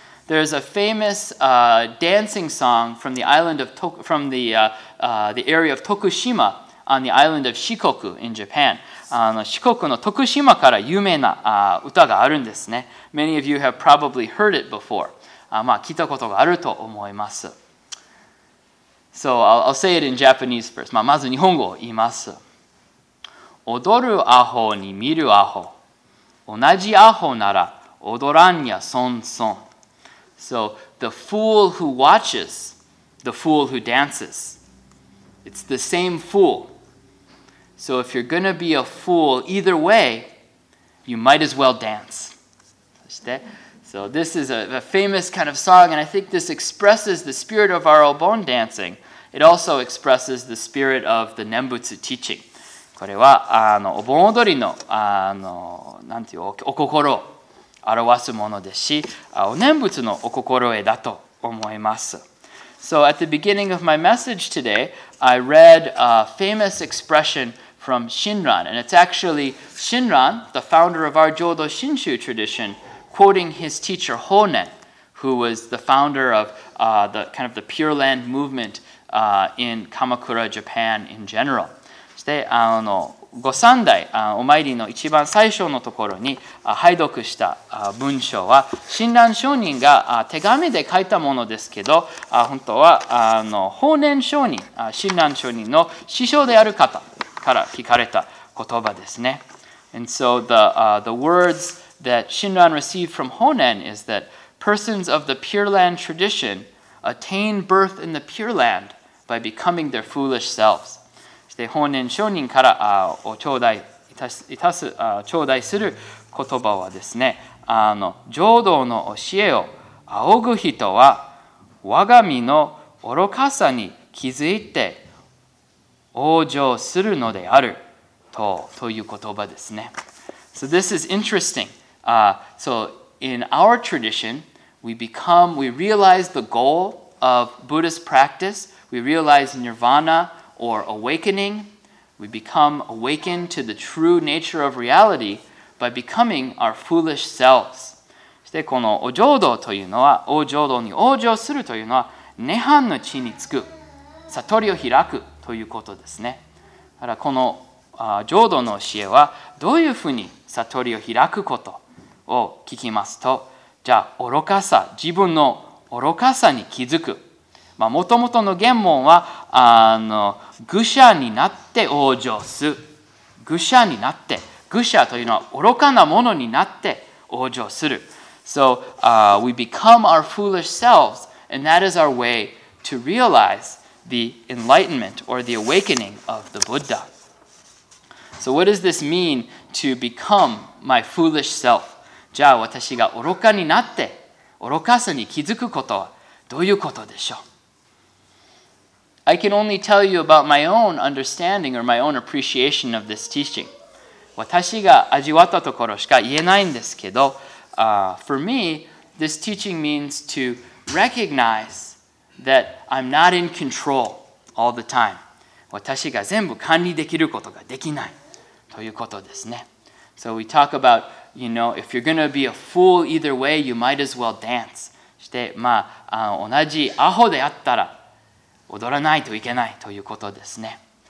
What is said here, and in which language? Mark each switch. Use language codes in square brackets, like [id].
[en] There is a famous dancing song from the island of the area of Tokushima on the island of Shikoku in Japan. [ja] 四国の徳島から有名な歌があるんですね。 [en] Many of you have probably heard it before. [ja] まあ聞いたことがあると思います。 [en] So I'll say it in Japanese first. [ja] まあまず日本語を言います。踊るアホに見るアホ。同じアホなら踊らんや損損。 [en] So, the fool who watches, the fool who dances. It's the same fool. So if you're going to be a fool either way, you might as well dance. そしてSo this is a famous kind of song, and I think this expresses the spirit of our Obon dancing. It also expresses the spirit of the Nembutsu teaching. [ja] これはあのお盆踊りの、あのなんていう、お心を表すものですし、お念仏のお心得だと思います。 [en] So at the beginning of my message today, I read a famous expression from Shinran, and it's actually Shinran, the founder of our Jodo Shinshu tradition,quoting his teacher Honen, who was the founder of the kind of the Pure Land movement in Kamakura, Japan in general. [ja] そしてあの御三代お参りの一番最初のところに拝読した文章は親鸞上人が手紙で書いたものですけど、本当はあの法然上人、親鸞上人の師匠である方から聞かれた言葉ですね。 [en] And so the wordsThat Shinran received from Honen is that persons of the Pure Land tradition attain birth in the Pure Land by becoming their foolish selves. [ja] そして Honen 上人からお頂戴いたす、頂戴する言葉はですね、あの浄土の教えを仰ぐ人は我が身の愚かさに気づいて往生するのであるとという言葉ですね。 [en] So this is interesting. So in our tradition, we realize the goal of Buddhist practice. We realize nirvana or awakening. We become awakened to the true nature of reality by becoming our foolish selves. [ja] そしてこのお浄土というのは、お浄土に往生するというのは、涅槃の地につく、悟りを開くということですね。だからこの浄土の教えは、どういうふうに悟りを開くこと。を聞きますと、じゃあ愚かさ、自分の愚かさに気づく。まあ元々の原文は愚者になって往生す。愚者になって、愚者というのは愚かなものになって往生する。 [en] So, we become our foolish selves, and that is our way to realize the enlightenment or the awakening of the Buddha. So, what does this mean to become my foolish self? [ja] じゃあ私が愚かになって愚かさに気づくことはどういうことでしょう? [en] I can only tell you about my own understanding or my own appreciation of this teaching. [ja] 私が味わったところしか言えないんですけど、 [en] for me, this teaching means to recognize that I'm not in control all the time. [ja] 私が全部管理できることができないということですね。 [en] So we talk aboutYou know, if you're going to be a fool either way, you might as well dance. [ja] そして、まあ、同じアホであったら踊らないといけないということですね。